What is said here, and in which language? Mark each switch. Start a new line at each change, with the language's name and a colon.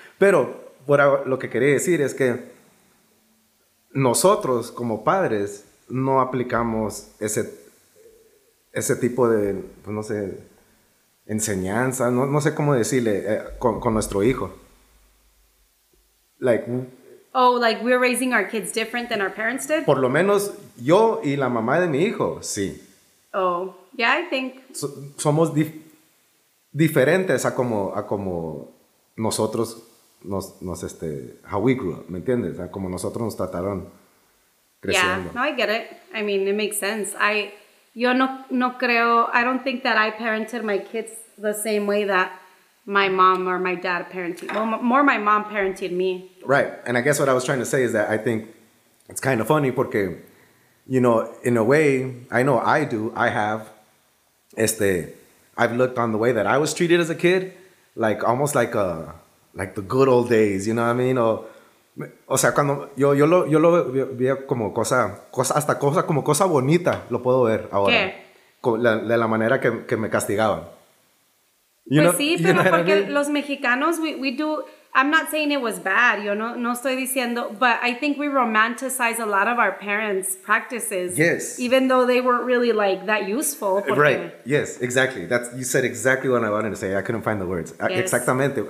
Spanish: Pero lo que quería decir es que nosotros como padres no aplicamos ese tipo de, pues no sé, enseñanza, no sé cómo decirle, con nuestro hijo.
English: Like, oh, like we're raising our kids different than our parents did?
Spanish: Por lo menos yo y la mamá de mi hijo, sí.
English: Oh, yeah, I think.
Spanish: Somos diferentes a como nosotros nos
English: how we grew up,
Spanish: ¿me entiendes? A como nosotros nos trataron creciendo.
English: Yeah, no, I get it. I mean, it makes sense.
Spanish: Yo no creo,
English: I don't think that I parented my kids the same way that my mom or my dad parented. Well, more my mom parented me. Right. And I guess what I was trying to say is that I think it's kind of funny porque, you know, in a way, I know I do. I have, I've looked on the way that I was treated as a kid, like almost like a, like the good old days, you know what I mean?
Spanish: O sea, cuando yo lo veía como cosa, hasta cosa, como cosa bonita, lo puedo ver ahora. ¿Qué? La manera que me castigaban.
English: You pues know, sí, pero you know porque I mean?
Spanish: Los mexicanos,
English: we do, I'm not saying it was bad,
Spanish: yo no estoy diciendo,
English: but I think we romanticize a lot of our parents' practices. Yes. Even though they weren't really like that useful. Porque... Right, yes, exactly. That's, you said exactly what I wanted to say. I couldn't find the words. Yes. Exactamente.